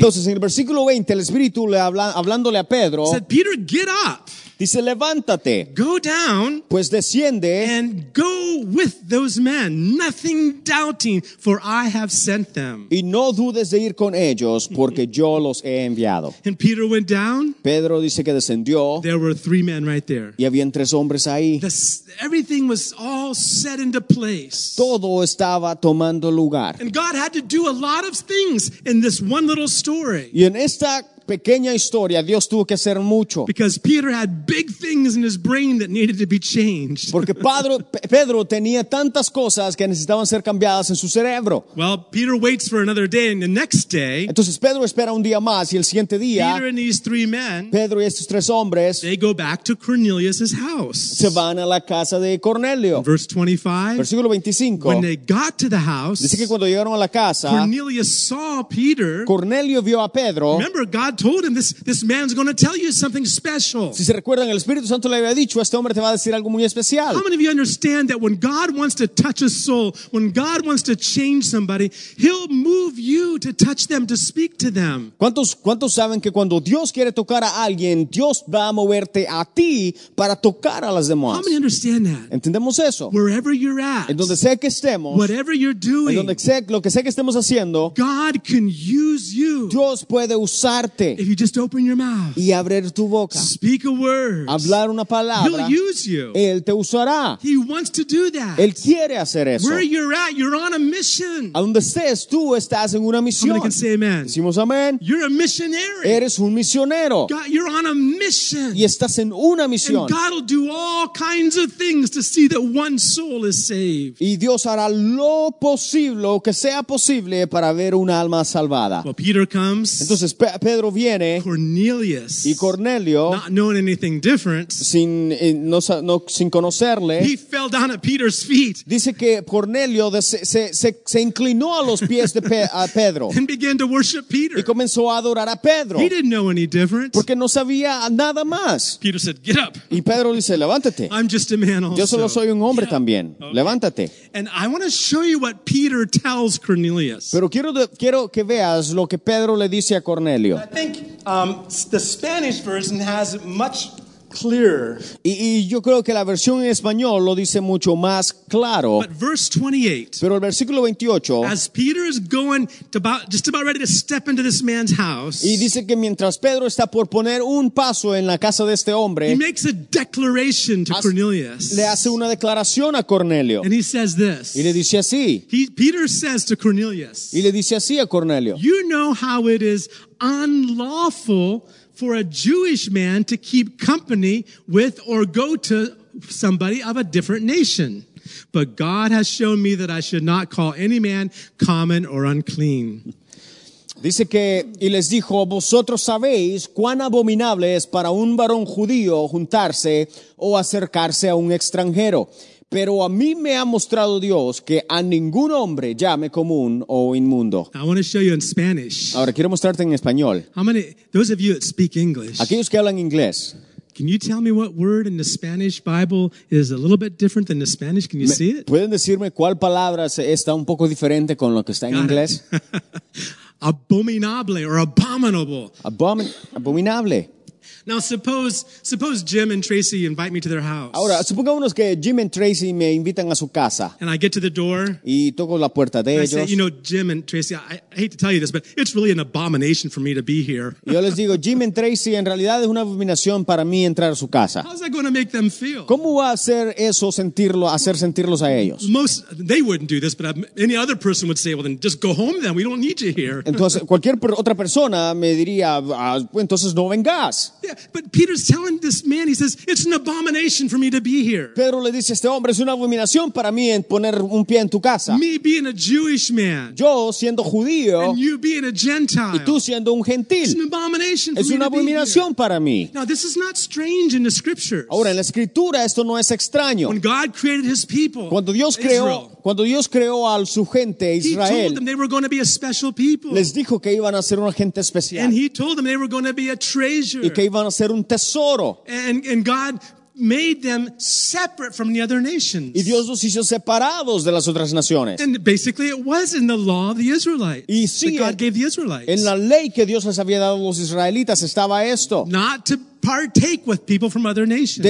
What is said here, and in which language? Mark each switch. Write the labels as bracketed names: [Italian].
[Spanish] Entonces en el versículo 20 el Espíritu le habla, hablándole a Pedro. [English] Said Peter, get up. [Spanish] Dice levántate. [English] Go down. [Spanish] Pues desciende. [English] And go with those men, nothing doubting, for I have sent them. [Spanish] Y no dudes de ir con ellos, porque yo los he enviado. [English] And Peter went down. [Spanish] Pedro dice que descendió. [English] There were three men right there. [Spanish] Y habían tres hombres ahí. [English] Everything was all set into place. [Spanish] Todo estaba tomando lugar. [English] And God had to do a lot of things in this one little story. [Spanish] Y en esta pequeña historia, Dios tuvo que hacer mucho. [English] Because Peter had big things in his brain that needed to be changed. [Spanish] Porque Pedro tenía tantas cosas que necesitaban ser cambiadas en su cerebro. [English] Well, Peter waits for another day, and the next day. [Spanish] Entonces Pedro espera un día más y el siguiente día. [English] Peter and these three men. [Spanish] Pedro y estos tres hombres. [English] They go back to Cornelius's house. [Spanish] Se van a la casa de Cornelio. [English] In verse 25. [Spanish] Versículo 25. [English] When they got to the house. [Spanish] Dice que cuando llegaron a la casa. [English] Cornelius saw Peter. [Spanish] Cornelio vio a Pedro. [English] Remember God. God told him this man's going to tell you something special. [Spanish] Si se recuerdan, el Espíritu Santo le había dicho, este hombre te va a decir algo muy especial. [English] How many of you understand that when God wants to touch a soul, when God wants to change somebody, he'll move you to touch them, to speak to them. [Spanish] ¿Cuántos saben que cuando Dios quiere tocar a alguien, Dios va a moverte a ti para tocar a las demás? [English] How many understand that? [Spanish] ¿Entendemos eso? [English] Wherever you're at. [Spanish] En donde sea que estemos. [English] Whatever you're doing. [Spanish] En donde sea, lo que sea que estemos haciendo. [English] God can use you. [Spanish] Dios puede usar. qué? [English] If you just open your mouth, [Spanish] y abrir tu boca, [English] speak a word, [Spanish] hablar una palabra, [English] he'll use you. [Spanish] Él te usará. [English] He wants to do that. [Spanish] Él quiere hacer eso. [English] Where you're at, you're on a mission. [Spanish] A donde estés, tú estás en una misión. [English] Somebody can say amen. [Spanish] Decimos amén. [English] You're a missionary. [Spanish] Eres un misionero. [English] God, you're on a mission. [Spanish] Y estás en una misión. [English] And God will do all kinds of things to see that one soul is saved. [Spanish] Y Dios hará lo posible, lo que sea posible, para ver una alma salvada. [English] Well, Peter comes. [Spanish] Entonces Pedro viene. [English] Cornelius. [Spanish] Y Cornelio, [English] not knowing anything different, [Spanish] sin conocerle, [English] he fell down at Peter's feet. [Spanish] Dice que Cornelio se inclinó a los pies de Pedro. [English] And began to worship Peter. [Spanish] Y comenzó a adorar a Pedro. [English] He didn't know any different. [Spanish] Porque no sabía nada más. [English] Peter said, "Get up." [Spanish] Y Pedro dice, "Levántate." [English] I'm just a man also. [Spanish] Yo solo soy un hombre, yeah, también. Okay. Levántate. [English] And I want to show you what Peter tells Cornelius. [Spanish] Pero quiero que veas lo que Pedro le dice a Cornelio. [English] I think the Spanish version has much clearer. [Spanish] Y yo creo que la versión en español lo dice mucho más claro. [English] But verse 28. [Spanish] Pero el versículo 28. [English] As Peter is going to just about ready to step into this man's house. [Spanish] Y dice que mientras Pedro está por poner un paso en la casa de este hombre, [English] he makes a declaration to Cornelius. [Spanish] Le hace una declaración a Cornelio. [English] And he says this. [Spanish] Y le dice así. [English] Peter says to Cornelius. [Spanish] Y le dice así a Cornelio. [English] You know how it is unlawful for a Jewish man to keep company with or go to somebody of a different nation. But God has shown me that I should not call any man common or unclean. [Spanish] Dice que, y les dijo, vosotros sabéis cuán abominable es para un varón judío juntarse o acercarse a un extranjero. Pero a mí me ha mostrado Dios que a ningún hombre llame común o inmundo. [English] I want to show you in Spanish. [Spanish] Ahora quiero mostrarte en español. [English] How many, those of you that speak English, [Spanish] aquellos que hablan inglés, [English] can you tell me what word in the Spanish Bible is a little bit different than the Spanish? Can you see it? [Spanish] ¿Pueden decirme cuál palabra está un poco diferente con lo que está en inglés? [English] Abominable or abominable. [Spanish] Abominable. [English] Now suppose Jim and Tracy invite me to their house. [Spanish] Ahora supongamos que Jim and Tracy me invitan a su casa. [English] And I get to the door. [Spanish] Y toco la puerta de ellos. [English] I say, you know, Jim and Tracy, I hate to tell you this, but it's really an abomination for me to be here. [Spanish] Yo les digo, Jim and Tracy, en realidad es una abominación para mí entrar a su casa. [English] How's that going to make them feel? [Spanish] ¿Cómo va a hacer eso sentirlos a ellos? [English] Most they wouldn't do this, but any other person would say, well, then just go home then. We don't need you here. [Spanish] Entonces cualquier otra persona me diría, entonces no vengas. [English] Yeah, but Peter's telling this man, he says, it's an abomination for me to be here. [Spanish] Pedro le dice, este hombre es una abominación para mí en poner un pie en tu casa. [English] Me being a Jewish man. [Spanish] Yo siendo judío. [English] And you being a Gentile. [Spanish] Y tú siendo un gentil. [English] It's an abomination for [Spanish] me. Es una abominación para mí. [English] Now, this is not strange in the scriptures. [Spanish] Ahora, en la escritura esto no es extraño. [English] When God created his people, [Spanish] cuando Dios creó, Israel. Cuando Dios creó a su gente, Israel. [English] He told them they were going to be a special people. [Spanish] Les dijo que iban a ser una gente especial. [English] And he told them they were going to be a treasure. [Spanish] Y que iban a ser un tesoro. [English] And God made them separate from the other nations. [Spanish] Y Dios los hizo separados de las otras naciones. [English] And basically it was in the law of the Israelites. [Spanish] Y sí, [English] that God gave the Israelites. [Spanish] En la ley que Dios les había dado a los israelitas estaba esto. [English] Not to partake with people from other nations.